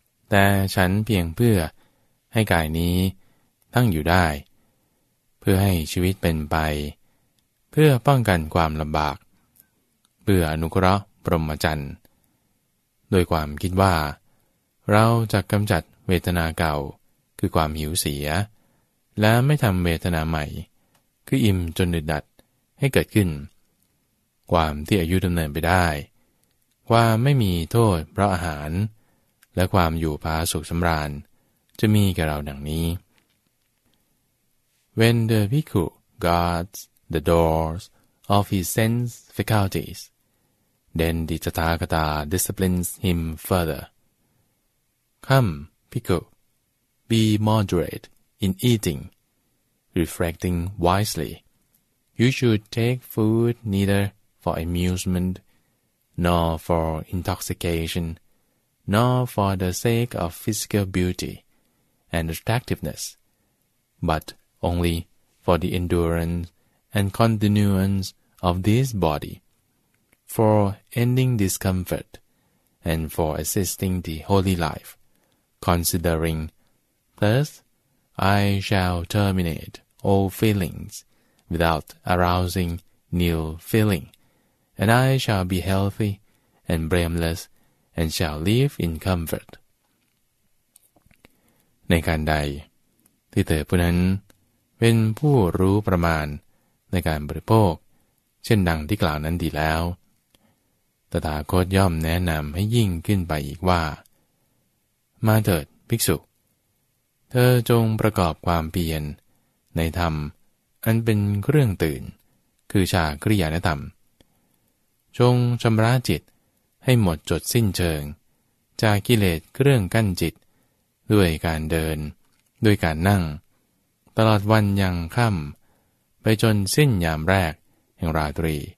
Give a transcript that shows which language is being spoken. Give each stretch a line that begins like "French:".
Thai: แต่ฉันเพียงเพื่อให้กายนี้ตั้งอยู่ได้เพื่อให้ชีวิตเป็นไปเพื่อป้องกันความลำบากเพื่ออนุเคราะห์พรหมจรรย์โดยความคิดว่าเราจะกำจัดเวทนาเก่าคือความหิวเสียและไม่ทำเวทนาใหม่คืออิ่มจนอึดดัดให้เกิดขึ้น ความที่อายุดำเนินไปได้ความไม่มีโทษเพราะอาหารและความอยู่ผาสุขสำราญจะมีกับเราดังนี้
English: When the bhikkhu guards the doors of his sense faculties, then the Tathagata disciplines him further. Come, bhikkhu, be moderate. In eating, reflecting wisely, you should take food neither for amusement, nor for intoxication, nor for the sake of physical beauty and attractiveness, but only for the endurance and continuance of this body, for ending discomfort, and for assisting the holy life, considering thirst. I shall terminate all feelings without arousing new feeling, and I shall be healthy and blameless and shall live in comfort.
Thai: ในการใดที่เธอผู้นั้นเป็นผู้รู้ประมาณในการบริโภคเช่นดังที่กล่าวนั้นดีแล้วตถาคตย่อมแนะนำให้ยิ่งขึ้นไปอีกว่า มาเถิดภิกษุเธอจงประกอบความเพียรในธรรมอันเป็นเครื่องตื่นคือชาคริยานธรรมจงชำระจิตให้หมดจดสิ้นเชิงจากกิเลสเครื่องกั้นจิตด้วยการเดินด้วยการนั่งตลอดวันยังค่ำไปจนสิ้นยามแรกแห่งราตรี